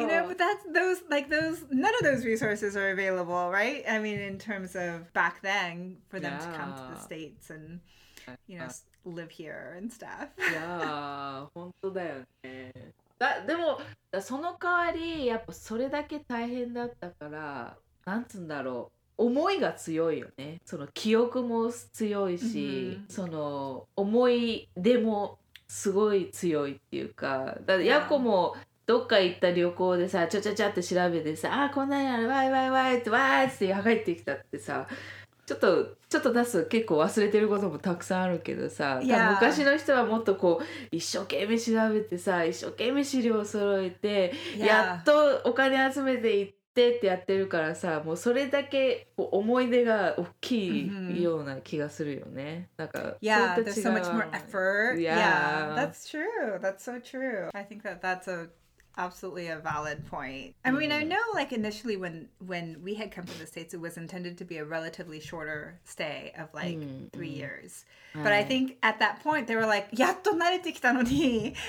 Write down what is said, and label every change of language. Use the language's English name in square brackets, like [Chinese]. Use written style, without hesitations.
[English] You know, but that's none of those resources are available, right? I mean, in terms of back then, for them to come to the States and, you know, live here and stuff. [Japanese] Yeah, 本当だよね。でも、その代わり、やっぱそれだけ大変だったから、なんつんだろう。思いが強いよね。その記憶も強いし、mm-hmm. その思い出もすごい強いっていうか、だからヤコもどっか行った旅行でさ、ちゃちゃちゃって調べてさ、ああこんなにあるわいわいわいってわーって帰ってきたってさ、ちょっと出す結構忘れてることもたくさんあるけどさ、昔の人はもっとこう一生懸命調べてさ、一生懸命資料を揃えて、やっとお金集めていって、ってやってるからさ、もうそれだけ思い出が大きいような気がするよね。 Mm-hmm. なんか、 [English] yeah, there's so much more effort. Yeah. Yeah, that's true. That's so true. I think that that's a absolutely a valid point. I mean, I know like initially when we had come to the States, it was intended to be a relatively shorter stay of like three years. But I think at that point, they were like, [Japanese] やっと慣れてきたのに、